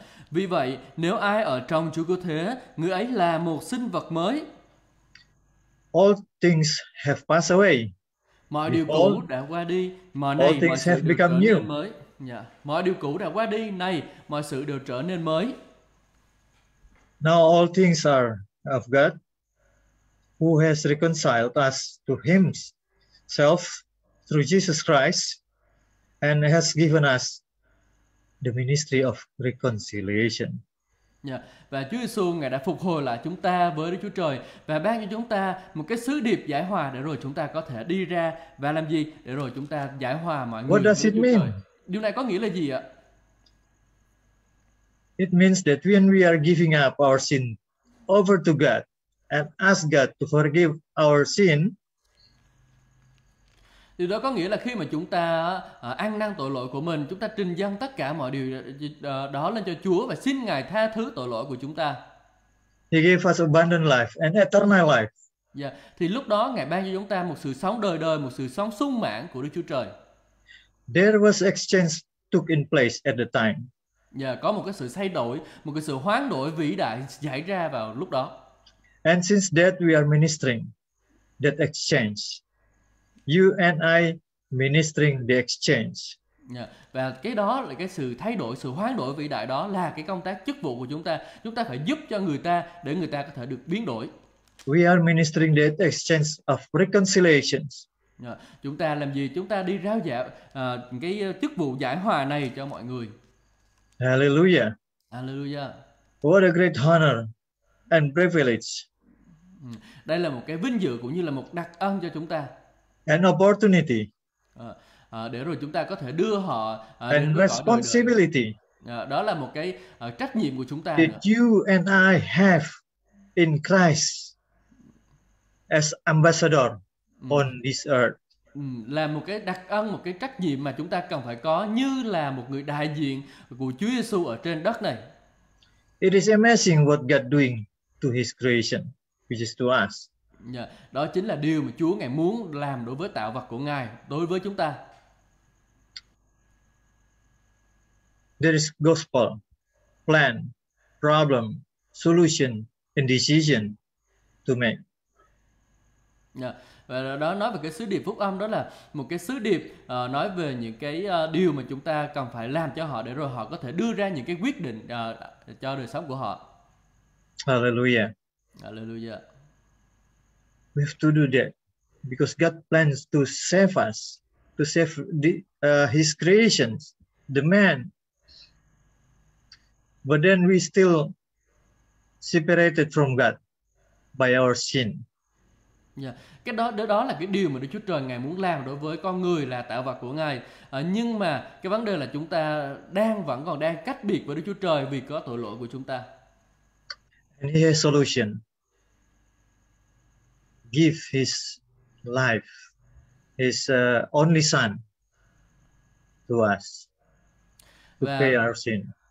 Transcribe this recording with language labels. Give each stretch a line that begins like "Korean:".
Vietnamese: Vì vậy, nếu ai ở trong Chúa cứu thế, người ấy là một sinh vật mới.
English: All things have passed away.
Vietnamese: Mọi điều cũ đã qua đi, mà
English: all
Vietnamese: nay
English: things have
Vietnamese: sự
English: become
Vietnamese: trở
English: new.
Vietnamese: Nên mới. Mọi điều cũ đã qua đi, nay mọi sự đều trở nên mới.
English: Now all things are of God, who has reconciled us to himself through Jesus Christ and has given us the ministry of reconciliation.
Vietnamese: Và Chúa Giêsu ngài đã phục hồi lại chúng ta với Đức Chúa Trời và ban cho chúng ta một cái sứ điệp giải hòa để rồi chúng ta có thể đi ra và làm gì để rồi chúng ta giải hòa mọi người.
English: What does it mean?
Vietnamese: Điều này có nghĩa là gì ạ?
English: It means that when we are giving up our sin over to God and ask God to forgive our sin.
Vietnamese: Điều đó có nghĩa là khi mà chúng ta ăn năn tội lỗi của mình, chúng ta trình dâng tất cả mọi điều đó lên cho Chúa và xin Ngài tha thứ tội lỗi của chúng ta.
English: He gave us abundant life and eternal life.
Vietnamese: Thì lúc đó Ngài ban cho chúng ta một sự sống đời đời, một sự sống sung mãn của Đức Chúa Trời.
English: There was exchange took in place at the time.
Vietnamese: Có một cái sự thay đổi, một cái sự hoán đổi vĩ đại xảy ra vào lúc đó.
English: And since that we are ministering that exchange. You and I ministering the exchange.
Vietnamese: Và cái đó là cái sự thay đổi, sự hoán đổi vĩ đại đó là cái công tác chức vụ của chúng ta. Chúng ta phải giúp cho người ta để người ta có thể được biến đổi.
English: We are ministering the exchange of reconciliations.
Vietnamese: Chúng ta làm gì? Chúng ta đi rao giảng cái chức vụ giải hòa này cho mọi người.
English: Hallelujah. Hallelujah. What a great honor and privilege.
Vietnamese: Đây là một cái vinh dự cũng như là một đặc ân cho chúng ta.
English: An opportunity.
Vietnamese: Để rồi chúng ta có thể đưa họ đến
English: and responsibility.
Vietnamese: Đó là một cái trách nhiệm của chúng ta.
English: That you and I have in Christ as ambassador on this earth.
Vietnamese: là một cái đặc ân, một cái trách nhiệm mà chúng ta cần phải có như là một người đại diện của Chúa Giêsu ở trên đất này.
English: It is amazing what God doing to his creation, which is to us.
Vietnamese: Đó chính là điều mà Chúa Ngài muốn làm đối với tạo vật của Ngài, đối với chúng ta.
English: There is gospel, plan, problem, solution, and decision to make.
Vietnamese: Và đó nói về cái sứ điệp phúc âm, đó là một cái sứ điệp nói về những cái điều mà chúng ta cần phải làm cho họ để rồi họ có thể đưa ra những cái quyết định cho đời sống của họ.
English: Hallelujah. Hallelujah. We have to do that because God plans to save us, to save his creations, the man. But then we still separated from God by our sin. Yeah.
Vietnamese: Cái đó, đó là cái điều mà Đức Chúa Trời Ngài muốn làm đối với con người là tạo vật của Ngài. Nhưng mà cái vấn đề là chúng ta đang vẫn còn đang cách biệt với Đức Chúa Trời vì có tội lỗi của chúng ta.
English: And he has a solution. Give his life, his only son to us to pay our sin.